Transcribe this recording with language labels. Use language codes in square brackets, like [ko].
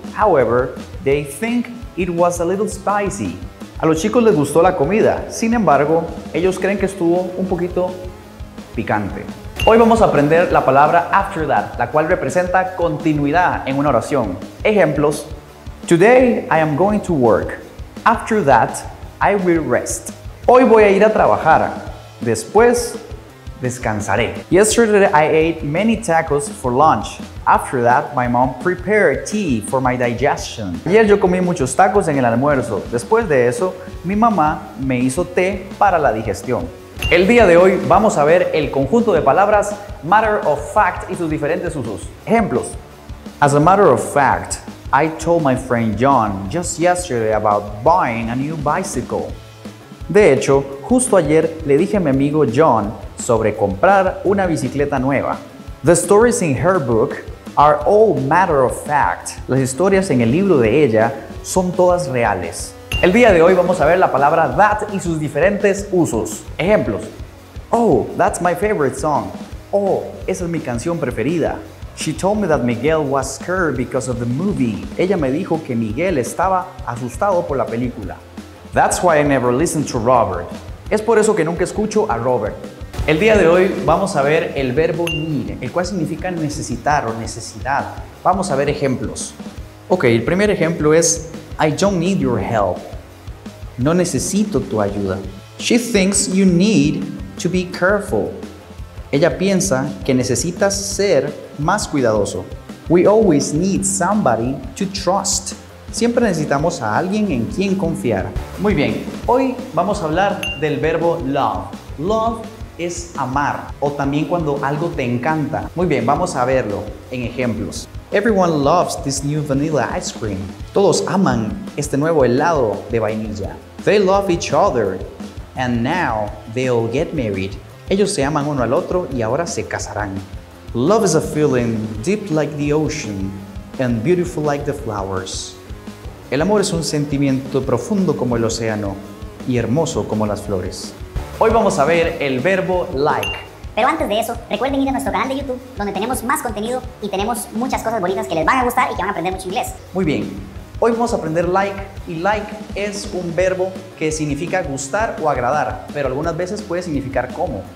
[en] However, they think it was a little spicy. [es] A los chicos les gustó la comida. Sin embargo, ellos creen que estuvo un poquito picante. Hoy vamos a aprender la palabra after that, la cual representa continuidad en una oración. [en] Ejemplos: Today I am going to work. After that, I will rest. [es] Hoy voy a ir a trabajar. Después, descansaré. [en] Yesterday I ate many tacos for lunch. After that, my mom prepared tea for my digestion. [es] Ayer yo comí muchos tacos en el almuerzo. Después de eso, mi mamá me hizo té para la digestión. El día de hoy vamos a ver el conjunto de palabras matter of fact y sus diferentes usos. Ejemplos. [en] As a matter of fact, I told my friend John just yesterday about buying a new bicycle. [es] De hecho, justo ayer le dije a mi amigo John sobre comprar una bicicleta nueva. [en] The stories in her book are all matter of fact. [es] Las historias en el libro de ella son todas reales. El día de hoy vamos a ver la palabra that y sus diferentes usos. Ejemplos. [en] Oh, that's my favorite song. [es] Oh, esa es mi canción preferida. [en] She told me that Miguel was scared because of the movie. [es] Ella me dijo que Miguel estaba asustado por la película. [en] That's why I never listen to Robert. [es] Es por eso que nunca escucho a Robert. El día de hoy vamos a ver el verbo need, el cual significa necesitar o necesidad. Vamos a ver ejemplos. Ok, el primer ejemplo es [en] I don't need your help. [es] No necesito tu ayuda. [en] She thinks you need to be careful. [es] Ella piensa que necesitas ser más cuidadoso. [en] We always need somebody to trust. [es] Siempre necesitamos a alguien en quien confiar. Muy bien, hoy vamos a hablar del verbo love. Love es amar o también cuando algo te encanta. Muy bien, vamos a verlo en ejemplos. [en] Everyone loves this new vanilla ice cream. [es] Todos aman este nuevo helado de vainilla. [en] They love each other and now they'll get married. [es] Ellos se aman uno al otro y ahora se casarán. [en] Love is a feeling deep like the ocean and beautiful like the flowers. [es] El amor es un sentimiento profundo como el océano y hermoso como las flores. Hoy vamos a ver el verbo like. Pero antes de eso, recuerden ir a nuestro canal de YouTube, donde tenemos más contenido y tenemos muchas cosas bonitas que les van a gustar y que van a aprender mucho inglés. Muy bien, hoy vamos a aprender like, y like es un verbo que significa gustar o agradar, pero algunas veces puede significar como.